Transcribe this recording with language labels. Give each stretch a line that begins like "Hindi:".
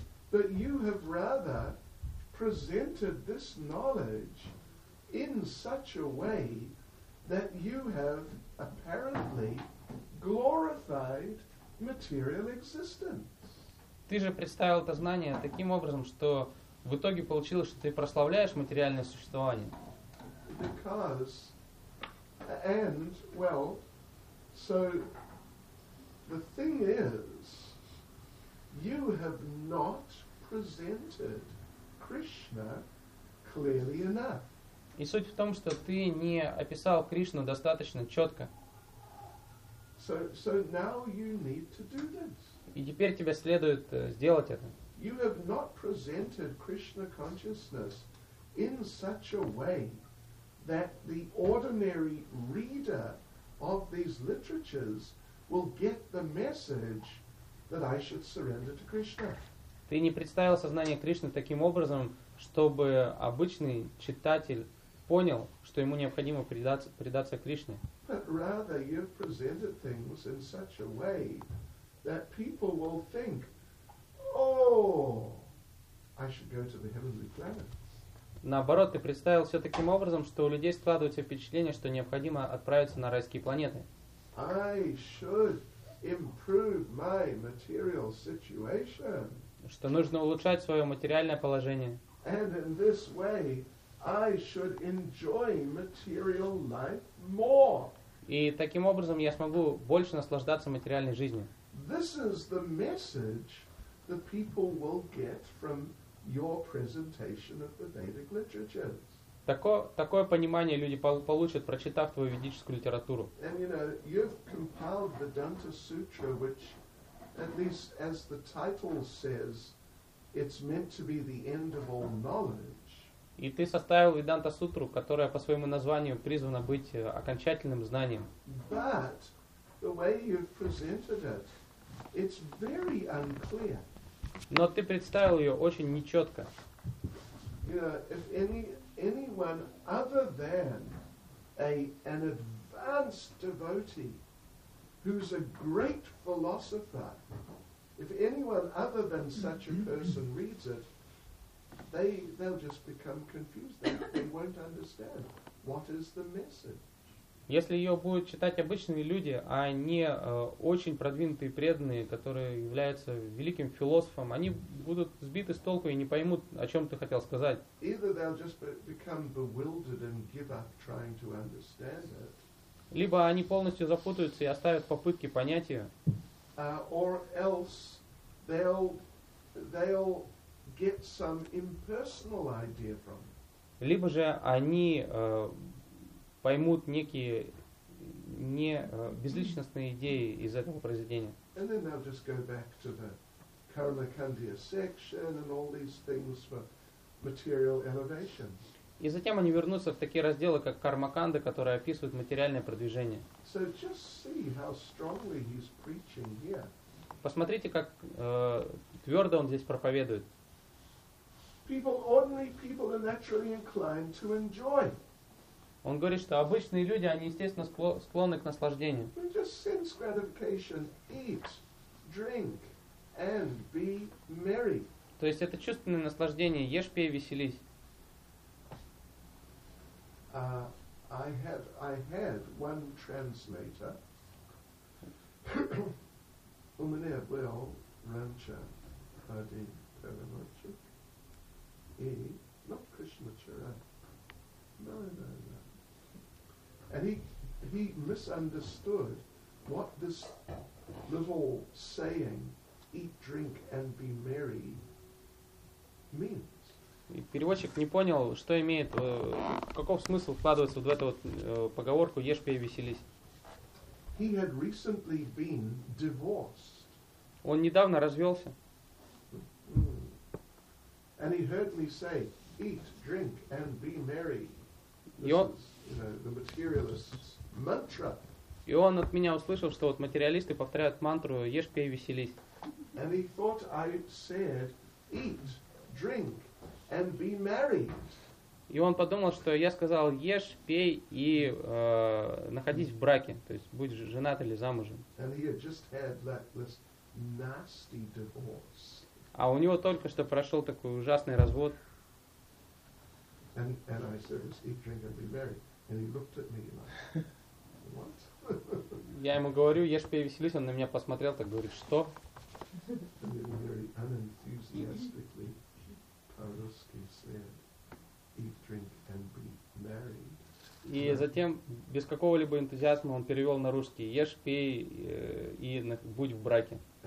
English: But you have rather presented this knowledge in such a way that you have apparently glorified material existence.
Russian: Ты же представил это знание таким образом, что в итоге получилось, что ты прославляешь материальное существование.
English: Because, and, well, so, the thing is, you have not presented Krishna clearly enough.
Russian: И суть в том, что ты не описал Кришну достаточно четко.
English: So now you need to do this.
Russian: И теперь тебе следует сделать это.
English: You have not presented Krishna consciousness in such a way that the ordinary reader of these literatures will get the message that I should surrender to Krishna.
Russian: Ты не представил сознание Кришны таким образом, чтобы обычный читатель понял, что ему необходимо предаться Кришне.
English: But rather you have presented things in such a way that people will think, oh, I should go to the heavenly planets.
Russian: Наоборот, ты представил все таким образом, что у людей складывается впечатление, что необходимо отправиться на райские планеты.
English: I should improve my material situation.
Russian: Что нужно улучшать свое материальное положение.
English: And in this way, I should enjoy material life more.
Russian: И таким образом я смогу больше наслаждаться материальной жизнью.
English: This is the message the people will get from your presentation of the Vedic literatures.
Russian: Такое понимание люди получат, прочитав твою ведическую литературу.
English: And you know, you've compiled the Danta Sutra, which, at least as the title says, it's meant to be the end of all knowledge.
Russian: И ты составил Веданта Сутру, которая по своему названию призвана быть окончательным знанием.
English: But the way you've presented it, it's very unclear.
Russian: Но ты представил ее очень нечетко.
English: You know, if anyone other than an advanced devotee who's a great philosopher, if anyone other than such a person reads it, they'll just become confused. They won't understand what is the message.
Russian: Если ее будут читать обычные люди, а не очень продвинутые преданные, которые являются великим философом, они будут сбиты с толку и не поймут, о чем ты хотел сказать. Либо они полностью запутаются и оставят попытки понять ее.
English: Or else they'll get some impersonal idea from it.
Russian: Либо же они поймут некие не безличностные идеи из этого произведения.
English: And then they'll just go back to the Karmakandiya section and all these things for material elevation.
Russian: И затем они вернутся в такие разделы, как Кармаканда, которые описывают материальное продвижение.
English: So just see how strongly he's preaching here.
Russian: Посмотрите, как твердо он здесь проповедует.
English: People, ordinary people are naturally inclined to enjoy.
Russian: Он говорит, что обычные люди, они, естественно, склонны к наслаждению.
English: We just sense gratification, eat, drink, and be merry.
Russian: То есть это чувственное наслаждение, ешь, пей, веселись.
English: I had one translator,
Russian: у меня был раньше один переводчик, и,
English: not
Russian: Кришмачара,
English: no. And he misunderstood what this little saying, eat, drink, and be merry, means.
Russian: И переводчик не понял, что имеет, каков смысл вкладывается вот в эту вот поговорку «Ешь, пей, веселись».
English: He had recently been divorced.
Russian: Он недавно развелся.
English: And he heard me say, eat, drink, and be merry. This is, you know, the materialist's mantra.
Russian: И он от меня услышал, что вот материалисты повторяют мантру «Ешь, пей, веселись».
English: And he thought I said, eat, drink, and be merry.
Russian: И он подумал, что я сказал «Ешь, пей и находись в браке», то есть будь женат или замужем.
English: And he had just had this nasty divorce.
Russian: А у него только что прошел такой ужасный развод.
English: And I said, eat, drink, and be merry. And he looked at me like, what?
Russian: Я ему говорю, ешь, пей, веселись, он на меня посмотрел, так говорит, что?
English: And then very unenthusiastically, Paruski said, eat, drink, and be merry.
Russian: И затем, без какого-либо энтузиазма, он перевел на русский. Ешь, пей и будь в браке.